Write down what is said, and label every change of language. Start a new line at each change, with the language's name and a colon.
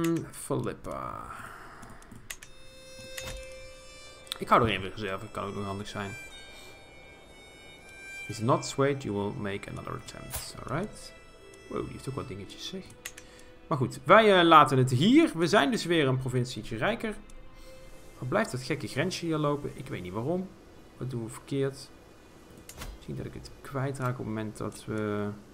Dutch: Philippa. Ik hou er een reserve, kan ook nog handig zijn.
English: Is not swayed, you will make another attempt. Alright.
Dutch: Wow, die heeft ook wat dingetjes, zeg. Maar goed, wij laten het hier. We zijn dus weer een provincietje rijker. Wat blijft dat gekke grensje hier lopen? Ik weet niet waarom. Wat doen we verkeerd? Misschien dat ik het kwijtraak op het moment dat we...